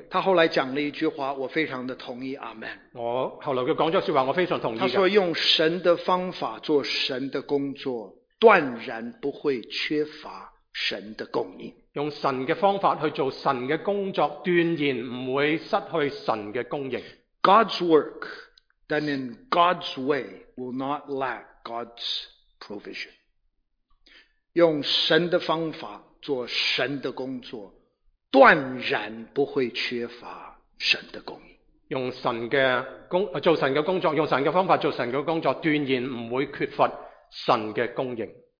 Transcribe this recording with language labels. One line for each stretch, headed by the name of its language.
Chinese: 他后来讲了一句话，我非常的同意，阿们。我后来他讲了句话，我非常同意。他说用神的方法做神的工作，断然不会缺乏神的供应。用神的方法去做神的工作，断然不会失去神的供应。
English: God's work done in God's way will not lack God's provision.
Chinese: 用神的方法做神的工作，断然不会缺乏神的供应。用神的工做神的工作，用神的方法做神的工作，断然不会缺乏神的供应。